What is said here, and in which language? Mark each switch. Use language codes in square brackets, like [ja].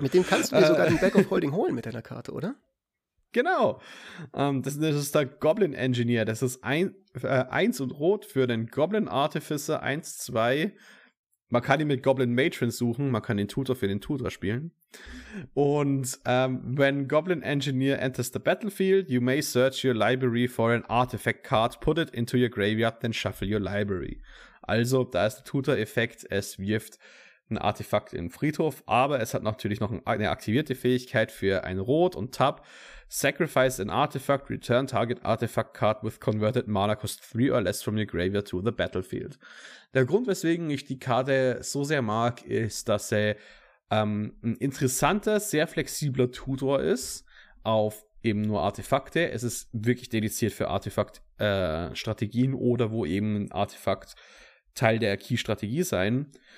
[de] Mit dem kannst du dir sogar den Bag of Holding holen mit deiner Karte, oder? Genau. Das ist der Goblin Engineer. Das ist 1 und rot für den Goblin Artificer 1/2. Man kann ihn mit Goblin Matrons suchen, man kann den Tutor für den Tutor spielen. [en] Und when Goblin Engineer enters the battlefield, you may search your library for an artifact card, put it into your graveyard, then shuffle your library. [de] Also, da ist der Tutor-Effekt, es wirft ein Artefakt in den Friedhof, aber es hat natürlich noch eine aktivierte Fähigkeit für ein Rot und Tab. [en] Sacrifice an artifact, return target artifact card with converted mana cost 3 or less from your graveyard to the battlefield. [de] Der Grund, weswegen ich die Karte so sehr mag, ist, dass er ein interessanter, sehr flexibler Tutor ist auf eben nur Artefakte. Es ist wirklich dediziert für Artefakt-Strategien oder wo eben ein Artefakt Teil der Key-Strategie sein